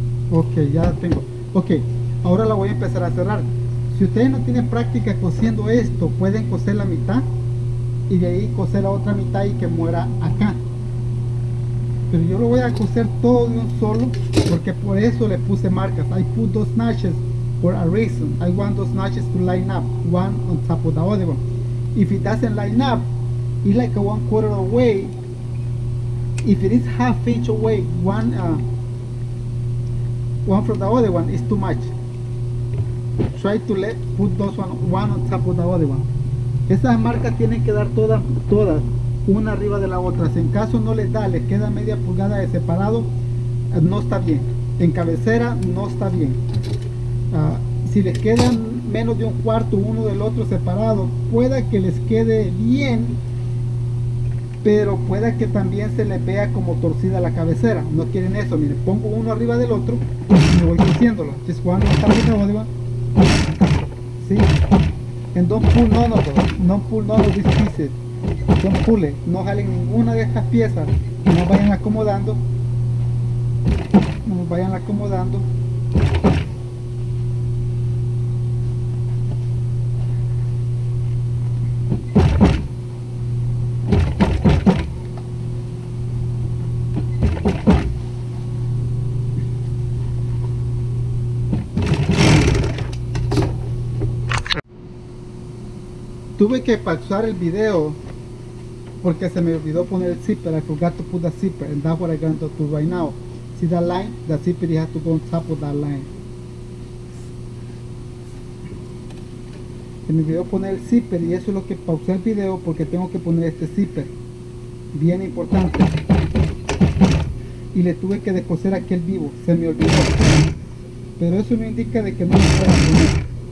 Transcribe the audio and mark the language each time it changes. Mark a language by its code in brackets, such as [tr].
[es] Ok, ya tengo. Ok, ahora la voy a empezar a cerrar. Si ustedes no tienen práctica cosiendo esto, pueden coser la mitad y de ahí coser la otra mitad y que muera acá. Pero yo lo voy a coser todo de un solo, porque por eso le puse marcas. [en] I put those notches for a reason. I want those notches to line up, one on top of the other one. If it doesn't line up, it's like a 1/4 away. If it is 1/2 inch away, one from the other one, it's too much. Try to let put those one on top of the other one. [es] Esas marcas tienen que dar todas una arriba de la otra. Si en caso no les da, les queda media pulgada de separado, no está bien. En cabecera no está bien. Si les quedan menos de 1/4 uno del otro separado, pueda que les quede bien, pero pueda que también se les vea como torcida la cabecera. No quieren eso. Miren, pongo uno arriba del otro y me voy cosiéndolo. [en] Just one on top of the other one. Sí. And don't pull none of those. Don't pull none of these pieces. Don't pull it. [es] No jalen ninguna de estas piezas. No vayan acomodando. No vayan acomodando. Tuve que pausar el video porque se me olvidó poner el zipper. [en] I forgot to put the zipper, and that's what I'm going to do right now. See that line? The zipper, you have to go on top of that line. [es] Se me olvidó poner el zipper y eso es lo que pausé el video, porque tengo que poner este zipper. Bien importante. Y le tuve que descoser aquel vivo. Se me olvidó. Pero eso no indica de que no lo pueda poner.